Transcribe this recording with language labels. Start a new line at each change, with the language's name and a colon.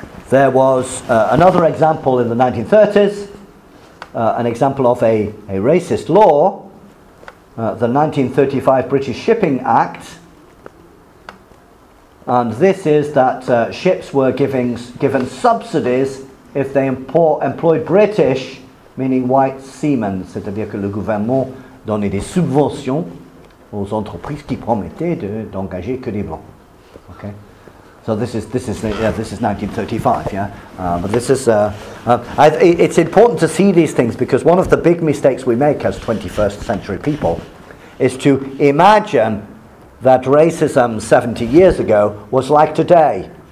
English: There was another example in the 1930s, an example of a racist law. The 1935 British Shipping Act, and this is that ships were given subsidies if they employed British, meaning white seamen.
French: C'est-à-dire que le gouvernement donnait des subventions aux entreprises qui promettaient d'engager que des blancs.
English: Okay. So this is 1935, yeah. But this is it's important to see these things because one of the big mistakes we make as 21st century people is to imagine that racism 70 years ago was like today.